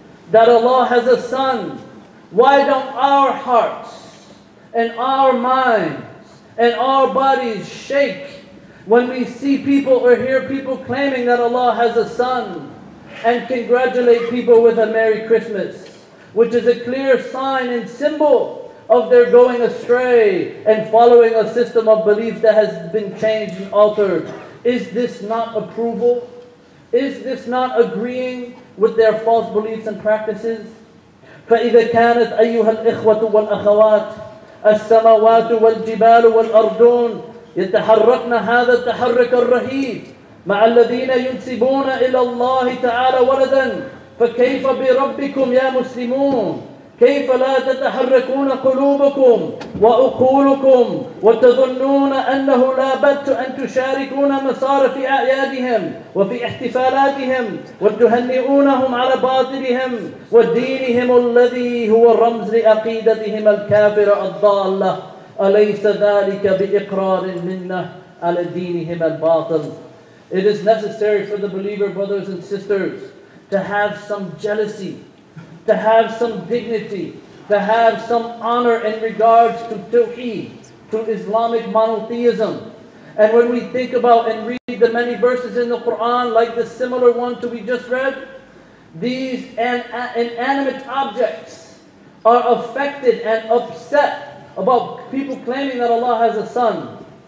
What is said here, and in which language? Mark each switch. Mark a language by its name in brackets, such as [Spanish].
[English] that Allah has a son, why don't our hearts and our minds and our bodies shake when we see people or hear people claiming that Allah has a son, and congratulate people with a Merry Christmas, which is a clear sign and symbol of their going astray and following a system of belief that has been changed and altered? Is this not approval? Is this not agreeing with their false beliefs and practices? [Arabic] فإذا كانت أيها الإخوة والأخوات السماوات والجبال والأرضون يتحركن هذا التحرك الرهيب مع الذين ينسبون إلى الله تعالى ولدا فكيف بربكم يا مسلمون كيف لا تتحركون قلوبكم وأقولكم وتظنون أنه لا بد أن تشاركون مسار في أعيادهم وفي احتفالاتهم وتهنئونهم على باطلهم ودينهم الذي هو رمز لعقيدتهم الكافرة الضالة أليس ذلك بإقرار منا على دينهم الباطل. [English] It is necessary for the believer brothers and sisters to have some jealousy, to have some dignity, to have some honor in regards to Tawheed, to Islamic monotheism. And when we think about and read the many verses in the Quran, like the similar one to we just read, these inanimate objects are affected and upset about people claiming that Allah has a son.